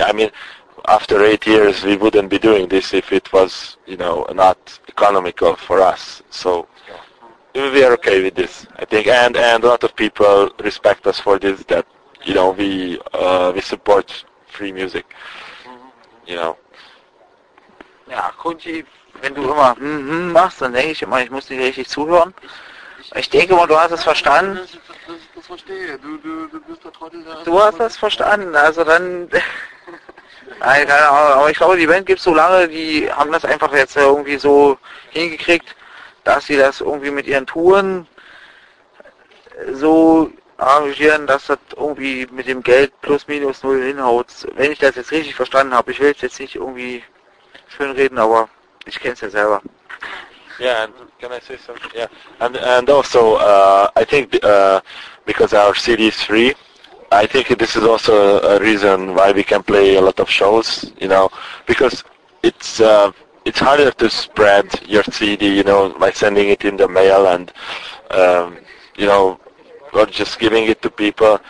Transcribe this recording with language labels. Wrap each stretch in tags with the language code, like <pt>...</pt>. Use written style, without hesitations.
<en>I mean, after 8 years we wouldn't be doing this if it was, you know, not economical for us. So we are okay with this, I think. And a lot of people respect us for this, that, you know, we support free music. You know.</en> <de>Ja, Kunji, wenn du immer machst, dann denke ich immer, ich muss dich richtig zuhören. Ich denke mal, du hast es verstanden. Das verstehe. Du bist der Trottel, der... Du hast das verstanden, also dann... Nein, keine Ahnung. Aber ich glaube, die Band gibt es so lange, die haben das einfach jetzt irgendwie so hingekriegt, dass sie das irgendwie mit ihren Touren so arrangieren, dass das irgendwie mit dem Geld plus minus null hinhaut. Wenn ich das jetzt richtig verstanden habe, ich will jetzt nicht irgendwie schön reden, aber ich kenne es ja selber.</de> <en>Yeah, and can I say something? Yeah, and also I think because our CD is free, I think this is also a reason why we can play a lot of shows, you know, because it's harder to spread your CD, you know, by sending it in the mail and you know, or just giving it to people.</en>